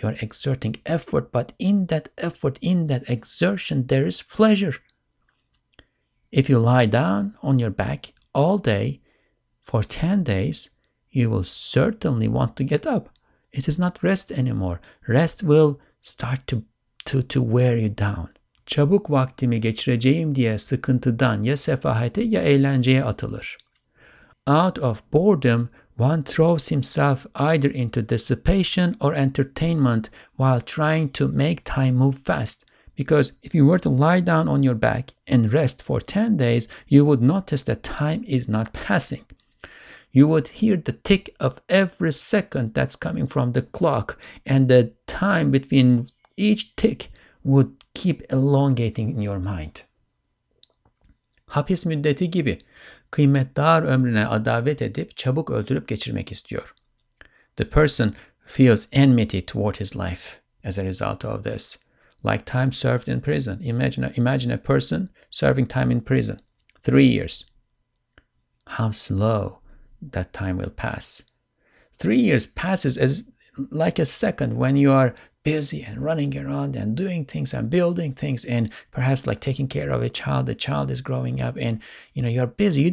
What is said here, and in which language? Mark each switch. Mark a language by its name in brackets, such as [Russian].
[English] You're exerting effort, but in that effort, in that exertion, there is pleasure. If you lie down on your back all day for 10 days, you will certainly want to get up. It is not rest anymore. Rest will start to wear you down. [Turkish] Çabuk vaktimi geçireceğim diye sıkıntıdan ya sefahete ya eğlenceye atılır. [English] Out of boredom, one throws himself either into dissipation or entertainment while trying to make time move fast. Because if you were to lie down on your back and rest for 10 days, you would notice that time is not passing. You would hear the tick of every second that's coming from the clock, and the time between each tick would keep elongating in your mind. [Turkish] Hapis müddeti gibi. Kıymetdar ömrüne adavet edip çabuk öldürüp geçirmek istiyor. [English] The person feels enmity toward his life as a result of this. Like time served in prison. Imagine a person serving time in prison. 3 years. How slow that time will pass. 3 years passes as like a second when you are busy and running around and doing things and building things and perhaps like taking care of a child. The child is growing up and, you know, you're busy.